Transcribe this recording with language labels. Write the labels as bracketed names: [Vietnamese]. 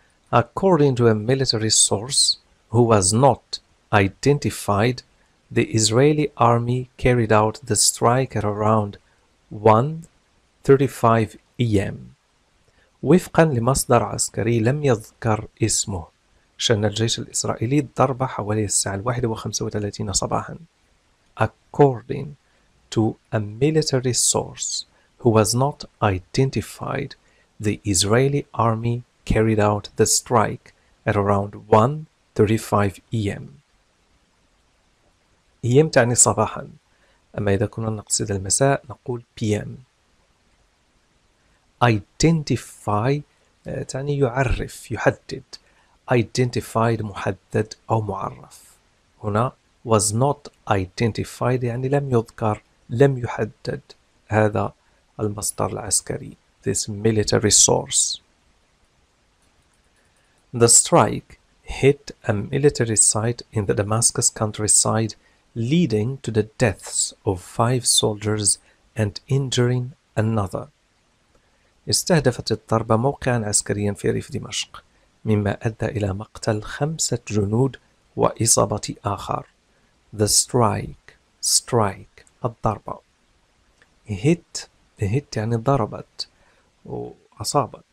[English] According to a military source who was not identified, the Israeli army carried out the strike at around 1:35 a.m. [Arabic] وفقا لمصدر عسكري لم يذكر اسمه، شن الجيش الإسرائيلي الضرب حوالي الساعة 1:35 صباحا. [English] According to a military source who was not identified, the Israeli army carried out the strike at around 1:35 a.m. [Arabic] AM تعني صباحا، أما إذا كنا نقصد المساء نقول PM. Identify تعني يعرف، يحدد. Identified محدد أو معرف. هنا [English] was not identified [Arabic] يعني لم يذكر، لم يحدد هذا المصدر العسكري. [English] This military source. The strike hit a military site in the Damascus countryside, leading to the deaths of 5 soldiers and injuring another. [Arabic] استهدفت الضربة موقعا عسكريا في ريف دمشق، مما أدى إلى مقتل 5 جنود وإصابة آخر. [English] The strike [Arabic] الضربة. Hit يعني ضربت وأصابت.